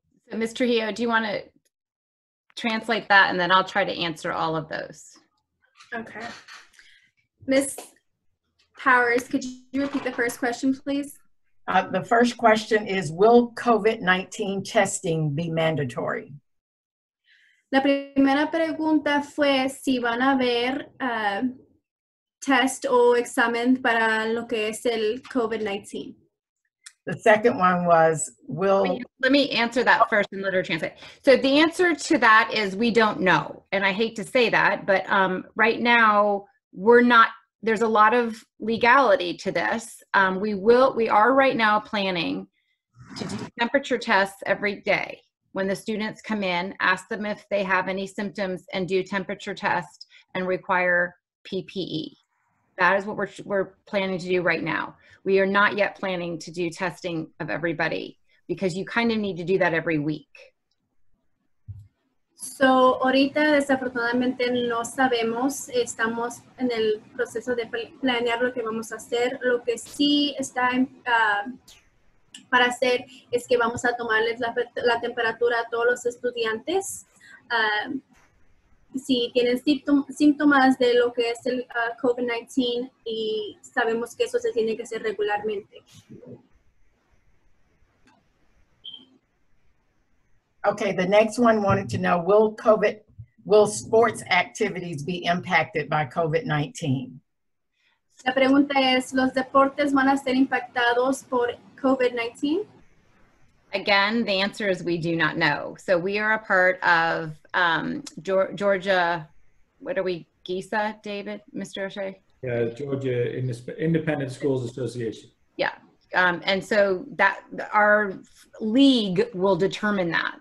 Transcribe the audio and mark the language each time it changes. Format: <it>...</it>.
<en>So, Ms. Trujillo, do you want to translate that? And then I'll try to answer all of those. Okay. Ms. Powers, could you repeat the first question, please? The first question is, will COVID-19 testing be mandatory?</en> <es>La primera pregunta fue si van a haber test o examen para lo que es el COVID-19.</es> <en>The second one was, will... Let me answer that first and let her translate. So the answer to that is we don't know. And I hate to say that, but right now we're not... There's a lot of legality to this. We are right now planning to do temperature tests every day. When the students come in, ask them if they have any symptoms and do temperature tests and require PPE. That is what we're planning to do right now. We are not yet planning to do testing of everybody because you kind of need to do that every week.</en> <es>So, ahorita desafortunadamente no sabemos, estamos en el proceso de planear lo que vamos a hacer. Lo que sí está para hacer es que vamos a tomarles la temperatura a todos los estudiantes. Si tienen síntomas de lo que es el COVID-19 y sabemos que eso se tiene que hacer regularmente.</es> <en>Okay, the next one wanted to know, will sports activities be impacted by COVID-19?</en> <es>La pregunta es, ¿los deportes van a ser impactados por COVID-19?</es> <en>Again, the answer is we do not know. So we are a part of Georgia, what are we, GISA, David, Mr. O'Shea? Yeah, Georgia Independent Schools Association. Yeah. And so that our league will determine that.</en>